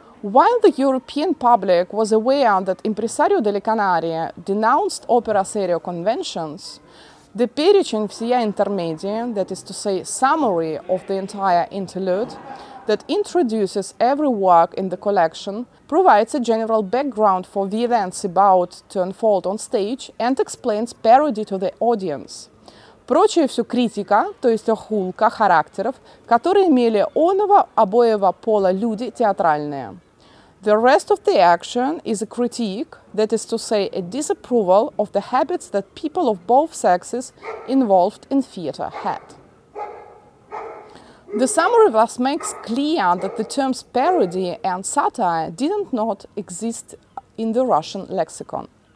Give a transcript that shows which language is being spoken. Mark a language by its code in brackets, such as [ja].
[en] While the European public was aware that Impresario delle Canarie denounced opera serio conventions, the [ru] перечень всея интермедия, [en] that is to say, summary of the entire interlude, that introduces every work in the collection, provides a general background for the events about to unfold on stage and explains parody to the audience. [ru] Прочая всю критика, то есть охулка характеров, которые имели оного обоего пола люди театральные. [en] The rest of the action is a critique, that is to say, a disapproval of the habits that people of both sexes involved in theater had. The summary thus makes clear that the terms parody and satire didn't not exist in the Russian lexicon.